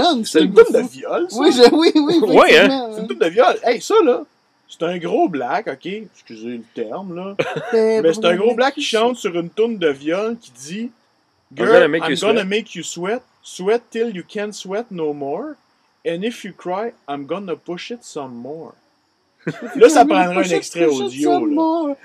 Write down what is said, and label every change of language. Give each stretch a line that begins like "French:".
French: c'est une toune de viol, ça. Oui, oui. Hein. C'est une toune de viol. Hey, ça, là, c'est un gros black, OK? Excusez le terme, là. Mais c'est un gros black qui chante sur une toune de viol qui dit «
English: Girl, I'm gonna make you sweat. Sweat till you can't sweat no more. And if you cry, I'm gonna push it some more.
French: » Là, ça prendra un extrait audio, là.